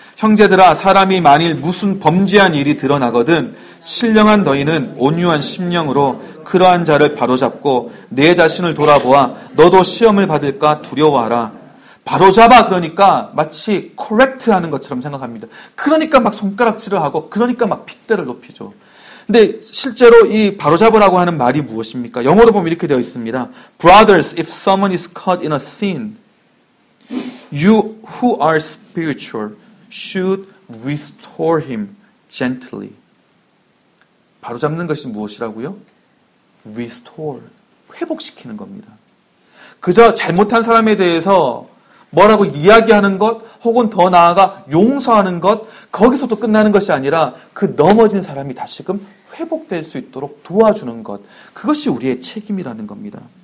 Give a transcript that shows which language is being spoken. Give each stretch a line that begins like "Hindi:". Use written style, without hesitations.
Korean: 형제들아, 사람이 만일 무슨 범죄한 일이 드러나거든 신령한 너희는 온유한 심령으로 그러한 자를 바로잡고 내 자신을 돌아보아 너도 시험을 받을까 두려워하라. 바로잡아, 그러니까 마치 correct하는 것처럼 생각합니다. 그러니까 막 손가락질을 하고 그러니까 막 핏대를 높이죠. 근데 실제로 이 바로잡으라고 하는 말이 무엇입니까? 영어로 보면 이렇게 되어 있습니다.
English: Brothers, if someone is caught in a sin, you who are spiritual should restore him gently.
Korean: 바로잡는 것이 무엇이라고요? Restore, 회복시키는 겁니다. 그저 잘못한 사람에 대해서 뭐라고 이야기하는 것 혹은 더 나아가 용서하는 것, 거기서도 끝나는 것이 아니라 그 넘어진 사람이 다시금 회복될 수 있도록 도와주는 것, 그것이 우리의 책임이라는 겁니다.